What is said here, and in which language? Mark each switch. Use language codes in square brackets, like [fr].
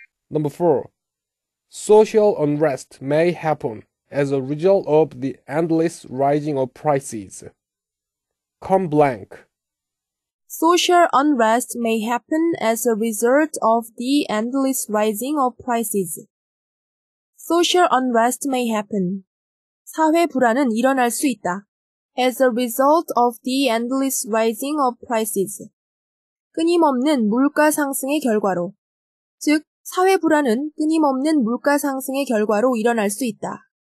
[en] Number 4. Social unrest may happen as a result of the endless rising of prices. Come blank. Social unrest may happen as a result of the endless rising of prices. Social unrest may happen. [ko] 사회 불안은 일어날 수 있다. [en] As a result of the endless rising of prices. [ko] 끊임없는 물가 상승의 결과로. 즉, 사회 불안은 끊임없는 물가 상승의 결과로 일어날 수 있다.